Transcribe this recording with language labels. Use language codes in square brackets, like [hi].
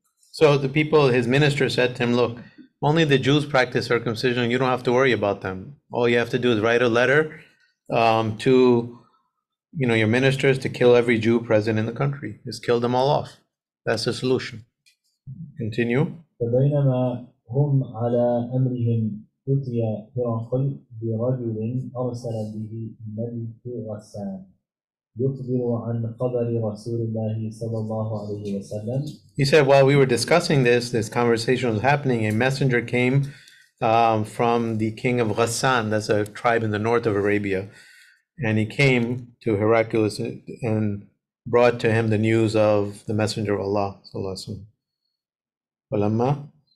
[en] So the people, his minister said to him, look, only the Jews practice circumcision. You don't have to worry about them. All you have to do is write a letter to, you know, your ministers to kill every Jew present in the country. Just kill them all off. That's the solution. Continue. [ar] فبينما هم على أمرهم أتي هرقل برجل أرسل به ملك غسان يخبر عن قبر رسول الله صلى الله عليه وسلم. [en] He said, while we were discussing this, this conversation was happening, a messenger came from the king of Ghassan, that's a tribe in the north of Arabia, and he came to Heraclius and brought to him the news of the messenger of Allah, sallallahu alaihi wasallam.